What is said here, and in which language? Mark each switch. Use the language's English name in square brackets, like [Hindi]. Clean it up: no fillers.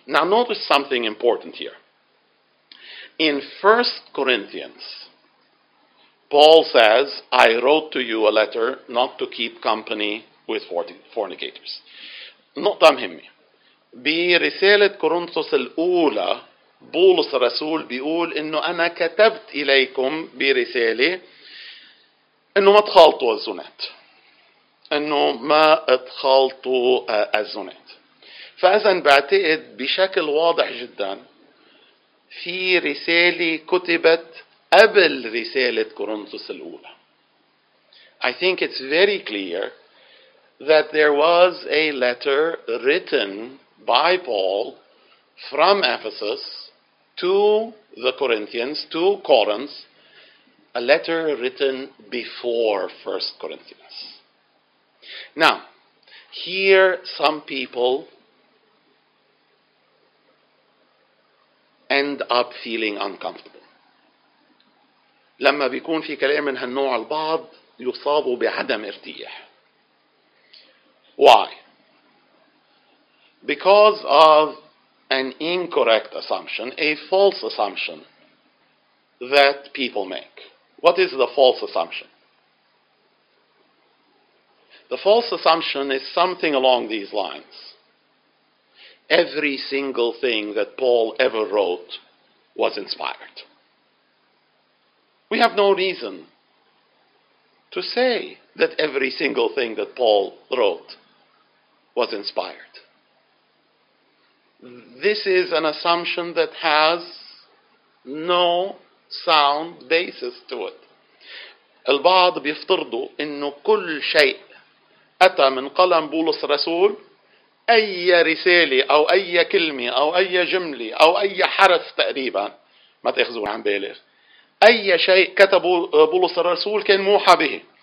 [English] Now notice something important here. In 1 Corinthians, Paul says, I wrote to you a letter not to keep company with fornicators. [Arabic] نقطة مهمة. برسالة كورنثوس الأولى، بولس الرسول بيقول إنه أنا كتبت إليكم برسالة إنه ما تخالطوا الزنات. إنه ما تخالطوا الزنات. فإذا بعتقد بشكل واضح جدا في رسالة كتبت قبل رسالة كورنثوس الأولى. [English] I think it's very clear that there was a letter written by Paul from Ephesus to the Corinthians, to Corinth, a letter written before 1 Corinthians. Now, here some people end up feeling uncomfortable. [Arabic] لما بيكون في كلام من هالنوع البعض يصابوا بعدم ارتياح. [English] Why? Because of an incorrect assumption, a false assumption that people make. What is the false assumption? The false assumption is something along these lines. Every single thing that Paul ever wrote was inspired. We have no reason to say that every single thing that Paul wrote was inspired. This is an assumption that has no sound basis to it. [Arabic] البعض بيفترضوا إنه كل شيء أتى من قلم بولس الرسول، أي رسالة أو أي كلمة أو أي جملة أو أي حرف تقريبا، ما تأخذوا عن بالغ، أي شيء كتبه بولس الرسول كان موحى به.